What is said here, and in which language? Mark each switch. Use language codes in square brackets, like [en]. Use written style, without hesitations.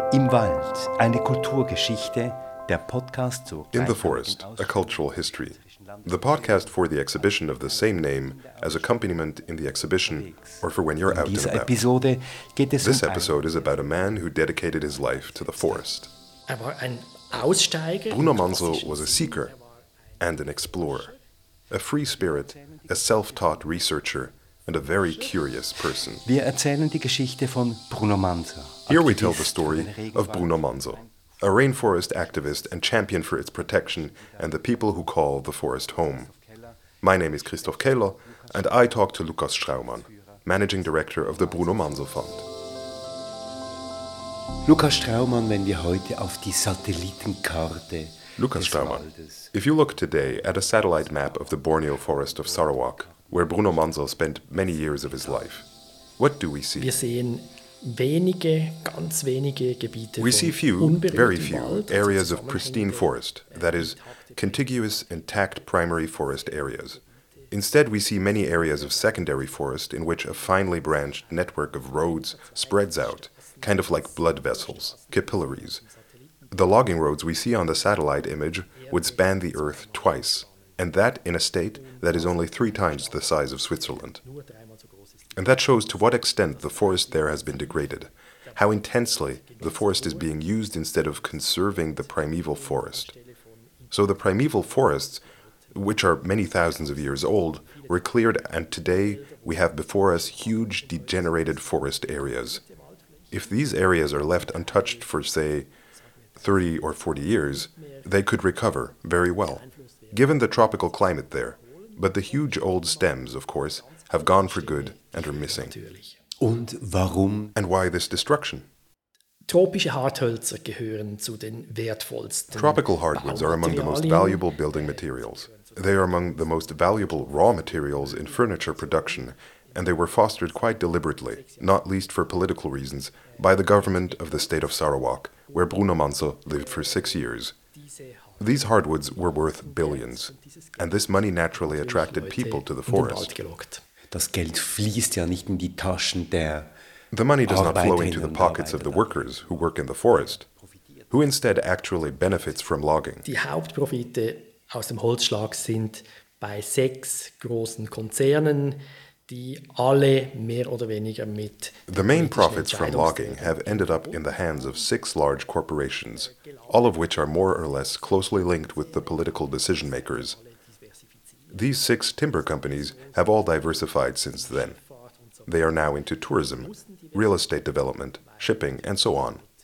[de] Wald, eine Kulturgeschichte, der Podcast zur [en] In the Forest, a Cultural History. The podcast for the exhibition of the same name as accompaniment in the exhibition or for when you're out and about. This episode is about a man who dedicated his life to the forest. Bruno Mansel was a seeker and an explorer, a free spirit, a self-taught researcher, and a very curious person. [de] Wir erzählen die Geschichte von Bruno Mansel. [en] Here we tell the story of Bruno Mansel, a rainforest activist and champion for its protection and the people who call the forest home. My name is Christoph Keller, and I talk to Lukas Straumann, managing director of the Bruno Mansel Fund. [de] Lukas Straumann, wenn wir heute auf die Satellitenkarte [en] Lukas Straumann, if you look today at a satellite map of the Borneo forest of Sarawak, where Bruno Mansel spent many years of his life, what do we see? [de] Wir sehen wenige, ganz wenige Gebiete. [en] We see few, very few, areas of pristine forest, that is, contiguous intact primary forest areas. Instead, we see many areas of secondary forest in which a finely branched network of roads spreads out, kind of like blood vessels, capillaries. The logging roads we see on the satellite image would span the Earth twice, and that in a state that is only three times the size of Switzerland. And that shows to what extent the forest there has been degraded, how intensely the forest is being used instead of conserving the primeval forest. So the primeval forests, which are many thousands of years old, were cleared, and today we have before us huge degenerated forest areas. If these areas are left untouched for, say, 30 or 40 years, they could recover very well, given the tropical climate there. But the huge old stems, of course, have gone for good and are missing. [de] Und warum? [en] And why this destruction? [de] Tropische Harthölzer gehören zu den wertvollsten. [en] Tropical hardwoods are among the most valuable building materials. They are among the most valuable raw materials in furniture production, and they were fostered quite deliberately, not least for political reasons, by the government of the state of Sarawak, where Bruno Mansel lived for 6 years. These hardwoods were worth billions, and this money naturally attracted people to the forest. [de] Das Geld fließt ja nicht in die Taschen der [en] The money does not flow into the pockets of the workers who work in the forest, who instead actually benefits from logging. [de] Die Hauptprofite aus dem Holzschlag sind bei 6 großen Konzernen, die alle mehr oder weniger mit [en] The main profits from logging have ended up in the hands of 6 large corporations, all of which are more or less closely linked with the political decision makers. These 6 timber companies have all diversified since then. They are now into tourism, real estate development, shipping, and so on.